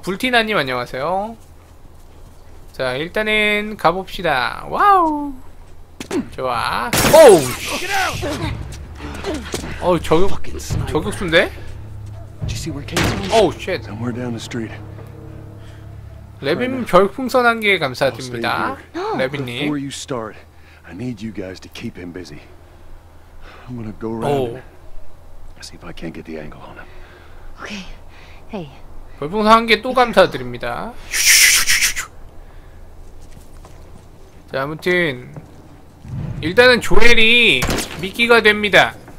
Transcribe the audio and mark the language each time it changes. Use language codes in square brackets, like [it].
[ko] 불티나님 안녕하세요. 자 일단은 가봅시다. 와우 좋아. 오우 어우 저격수인데? [en] 오우 쉣. [ko] 레빈 별풍선 한 개 감사드립니다. [en] 레빈님 I need you guys to keep him busy. I'm gonna go around and see if I can't get the angle on him. Okay. Hey. [ko] 별풍선 한 개 또 감사드립니다. 자, 아무튼 일단은 조엘이 미끼가 됩니다.